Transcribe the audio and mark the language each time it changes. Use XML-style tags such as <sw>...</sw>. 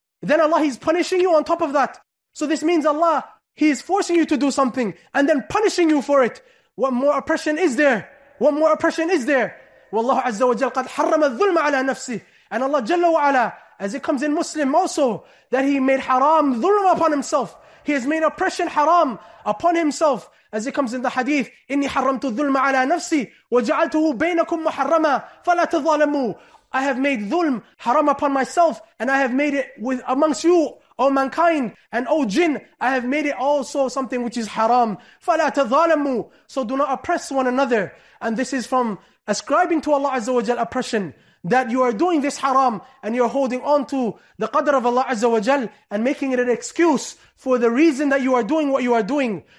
<en>Then Allah, he's punishing you on top of that. So this means Allah, he is forcing you to do something and then punishing you for it. What more oppression is there? What more oppression is there?</en> <ar>Wallahu Azza wa Jal qad harrama dhulma ala nafsi.</ar> <en>And Allah Jalla wa Ala, as it comes in Muslim also, that he made haram dhulm upon himself. He has made oppression haram upon himself. As it comes in the hadith,</en> <ar>إِنِّي حَرَّمْتُ الظُّلْمَ عَلَى نَفْسِي وَجَعَلْتُهُ بَيْنَكُمْ مُحَرَّمًا فَلَا تَظَالَمُوا.</ar> <en>I have made dhulm haram upon myself, and I have made it with amongst you, O mankind, and O jinn, I have made it also something which is haram.</en> <ar>فَلَا تَظَالَمُوا.</ar> <en>So do not oppress one another. And this is from ascribing to Allah Azza wa Jal oppression, that you are doing this haram and you're holding on to the qadr of Allah Azza wa Jal and making it an excuse for the reason that you are doing what you are doing.</en>